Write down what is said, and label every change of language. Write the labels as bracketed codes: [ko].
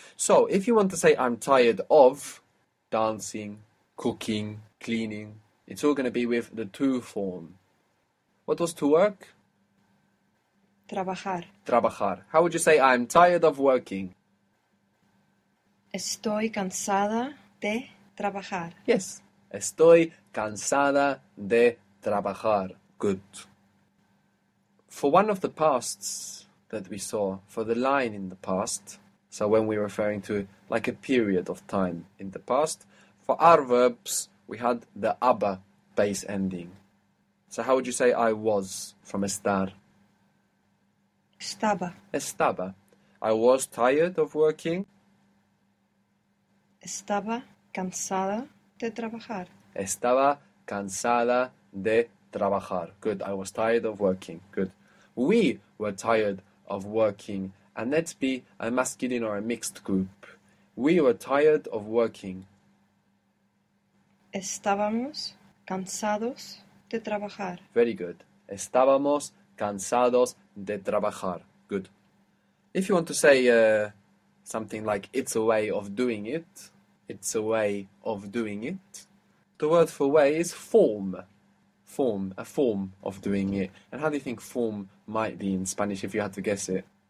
[en] So, if you want to say I'm tired of dancing, cooking, cleaning, it's all going to be with the to form. What was to work? [es] Trabajar. Trabajar. [en] How would you say I'm tired of working? [es] Estoy cansada de trabajar. [en] Yes. [es] Estoy cansada de trabajar. [en] Good. For one of the pasts that we saw for the line in the past, so when we're referring to like a period of time in the past, for our verbs we had the aba base ending. So how would you say I was from estar? [es] Estaba. [en] Estaba. I was tired of working. [es] Estaba cansada de trabajar. Estaba cansada de trabajar. [en] Good. I was tired of working. Good. We were tired of working, and let's be a masculine or a mixed group. We were tired of working. [es] Estábamos cansados de trabajar. [en] Very good. [es] Estábamos cansados de trabajar. [en] Good. If you want to say something like it's a way of doing it, it's a way of doing it. The word for way is form. Form, a form of doing it. And how do you think form might be in Spanish if you had to guess it?